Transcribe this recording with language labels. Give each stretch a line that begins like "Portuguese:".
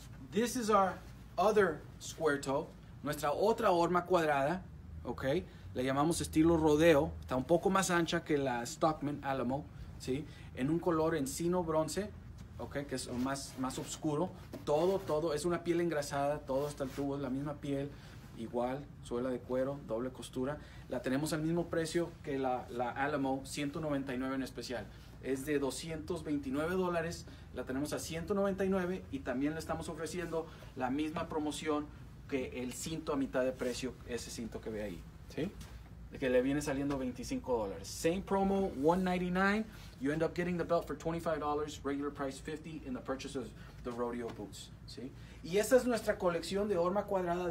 English: This is our other square toe.
Spanish: Nuestra otra horma cuadrada, okay? Le llamamos estilo rodeo. Está un poco más ancha que la Stockman Alamo, ¿sí? En un color encino bronce, okay? Que es más oscuro. Todo, es una piel engrasada. Todo está el tubo, la misma piel. Igual, suela de cuero, doble costura. La tenemos al mismo precio que la Alamo, $199 en especial. Es de $229. La tenemos a $199 y también le estamos ofreciendo la misma promoción que el cinto a mitad de precio, ese cinto que ve ahí. ¿Sí? Que le viene saliendo $25.
English: Same promo, $199. You end up getting the belt for $25, regular price $50 in the purchase of the rodeo boots.
Spanish: ¿Sí? Y esa es nuestra colección de horma cuadrada.